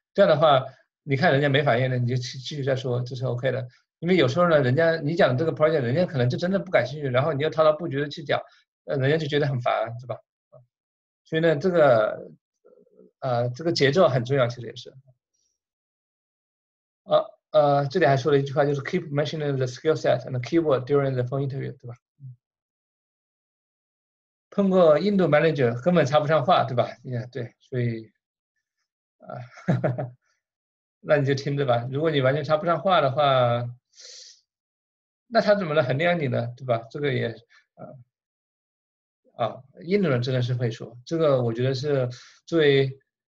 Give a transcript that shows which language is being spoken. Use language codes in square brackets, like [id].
[zh] 这样的话，你看人家没反应呢，你就继续再说，这是 OK 的。因为有时候呢，人家你讲这个 project， 人家可能就真的不感兴趣，然后你又滔滔不绝的去讲，人家就觉得很烦，对吧？所以呢，这个节奏很重要，其实也是。 [en] 这里还说了一句话，就是 keep mentioning the skill set and the keyword during the phone interview，对吧？ [zh] 碰过印度 manager 根本插不上话，对吧？ Yeah，对，所以那你就听着吧。如果你完全插不上话的话，那他怎么来衡量你呢？对吧？这个也印度人真的是会说，这个我觉得是最。